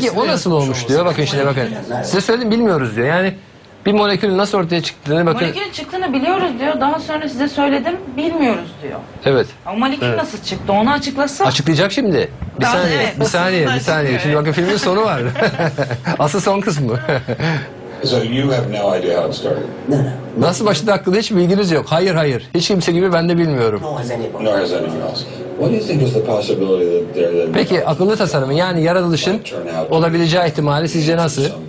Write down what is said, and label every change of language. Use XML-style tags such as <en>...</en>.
<tr>Peki o nasıl olmuş diyor. Bakın şimdi bakın. Size söyledim bilmiyoruz diyor. Yani bir molekülün nasıl ortaya çıktığını bakın. Molekülün çıktığını biliyoruz diyor. Daha sonra size söyledim bilmiyoruz diyor. Evet. Ama molekül evet. Nasıl çıktı onu açıklasa. Açıklayacak şimdi. Bir daha saniye. Evet, bir saniye. Bir saniye. Evet. Şimdi bakın filmin sonu var. Asıl son kısmı.</tr> <en>So you have no idea how it started. No.</en> <tr>Nasıl başladı hakkında hiç bilginiz yok. Hayır hayır. Hiç kimse gibi ben de bilmiyorum.</tr> <en>Nor has anyone else. What do you think is the possibility that there are...</en> <tr>Peki akıllı tasarımı yani yaratılışın olabileceği ihtimali sizce nasıl?</tr>